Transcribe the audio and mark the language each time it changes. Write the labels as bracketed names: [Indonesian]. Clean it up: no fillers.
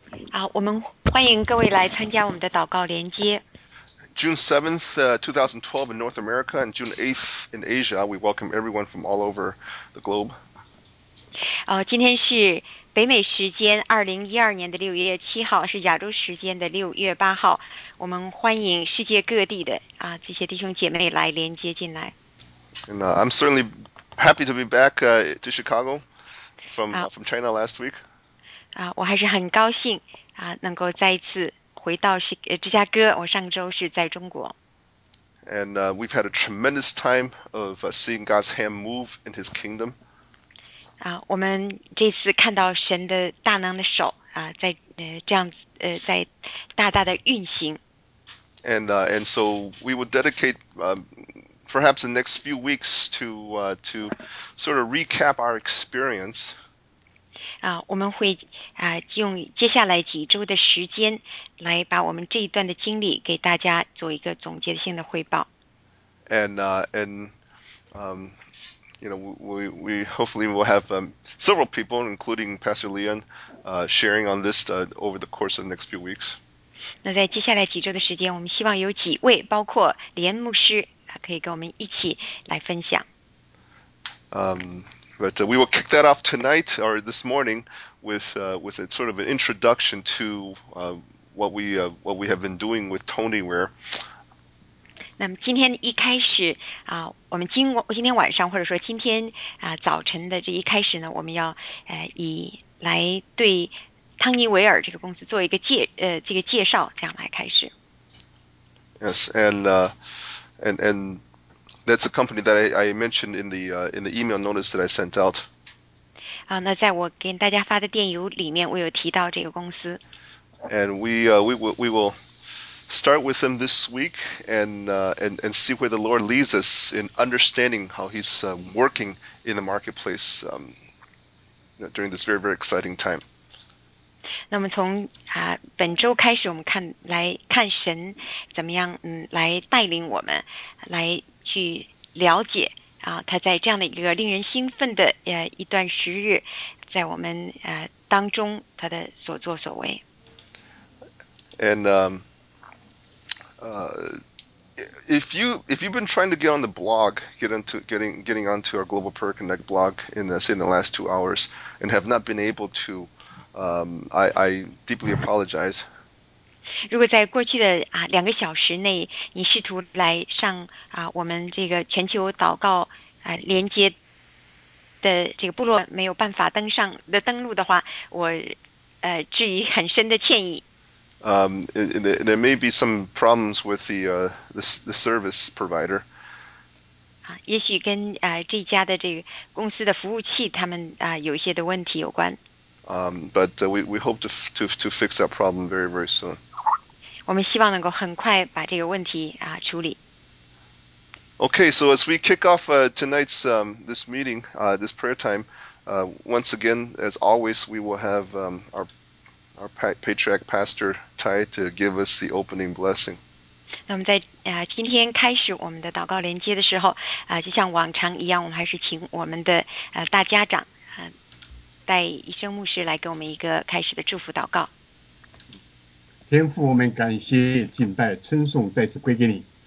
[Chinese] 好，我们欢迎各位来参加我们的祷告连接。 [English] June 7th, 2012 in North America and June 8th in Asia. We welcome everyone from all over the globe. [Chinese] 今天是北美时间2012年的6月7号，是亚洲时间的6月8号。我们欢迎世界各地的这些弟兄姐妹来连接进来。 [English] And I'm certainly happy to be back to Chicago from China last week. [Chinese] 我还是很高兴能够再一次回到芝加哥。我上周是在中国。 [English] And we've had a tremendous time of seeing God's hand move in His kingdom. [Chinese] 我们这次看到神的大能的手在这样子在大大的运行。 [English] And so we will dedicate perhaps the next few weeks to sort of recap our experience. [Chinese] 我们会用接下来几周的时间来把我们这一段的经历给大家做一个总结性的汇报。 [English] And we hopefully will have several people, including Pastor Leon, sharing on this over the course of the next few weeks. [Chinese] 那在接下来几周的时间，我们希望有几位，包括连牧师，可以跟我们一起来分享。 [English] But we will kick that off tonight or this morning with a sort of an introduction to what we have been doing with Tonyware. [Chinese] 那么今天一开始今天晚上或者说今天早晨的这一开始呢，我们要以来对汤尼维尔这个公司做一个这个介绍，这样来开始。 [English] Yes, and that's a company that I mentioned in the email notice that I sent out. [Chinese] 那在我给大家发的电邮里面，我有提到这个公司。 [English] And we will start with them this week and see where the Lord leads us in understanding how He's working in the marketplace during this very, very exciting time. [Chinese] 那么从本周开始，我们看神怎么样来带领我们来去了解他在这样的一个令人兴奋的一段时日，在我们当中他的所作所为。 [English] And if you've been trying to get on the blog, getting onto our Global Prayer Connect blog in the last 2 hours and have not been able to, I deeply apologize. [Chinese] 如果在过去的2个小时内，你试图来上我们这个全球祷告连接的这个部落，没有办法登录的话，我致以很深的歉意。 [English] There may be some problems with the service provider. [Chinese] 也许跟这家的这个公司的服务器，他们有一些的问题有关。 [English] But we hope to fix that problem very, very soon. [Chinese] 我们希望能够很快把这个问题处理。 [English] Okay, so as we kick off tonight's this meeting, this prayer time, once again, as always, we will have our patriarch pastor Ty to give us the opening blessing. [Chinese] 那么在今天开始我们的祷告连接的时候，就像往常一样，我们还是请我们的大家长带一声牧师来给我们一个开始的祝福祷告。天父，我们感谢、敬拜、称颂，再次归给你。